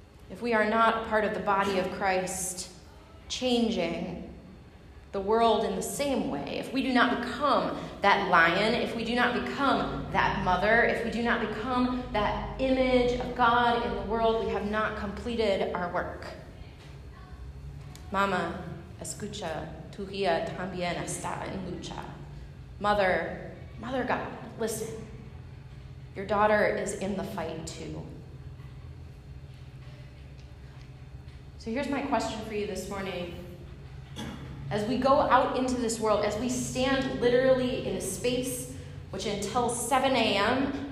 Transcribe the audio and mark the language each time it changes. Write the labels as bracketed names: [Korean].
[English] If we are not part of the body of Christ changing the world in the same way, if we do not become that lion, if we do not become that mother, if we do not become that image of God in the world, we have not completed our work. [Spanish] Mama, escucha, tu hija también está en lucha. [English] Mother, Mother God, listen. Your daughter is in the fight too. So here's my question for you this morning. As we go out into this world, as we stand literally in a space which until 7 a.m.